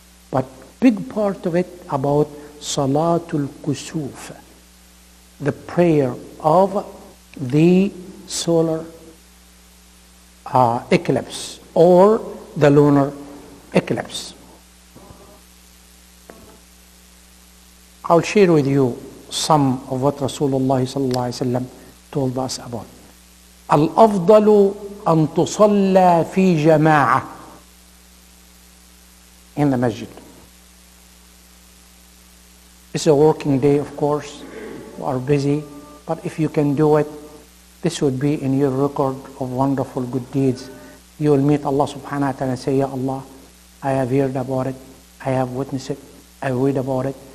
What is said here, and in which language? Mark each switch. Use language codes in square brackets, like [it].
[en] But big part of it about salatul kusuf, the prayer of the solar eclipse or the lunar eclipse. I'll share with you some of what Rasulullah sallallahu alayhi wa sallam told us about. [ar] الأفضل أن تصلى في جماعة [en] in the masjid. It's a working day, of course. We are busy. But if you can do it, this would be in your record of wonderful good deeds. You will meet Allah subhanahu wa ta'ala and say, Ya Allah, I have heard about it. I have witnessed it. I read about it.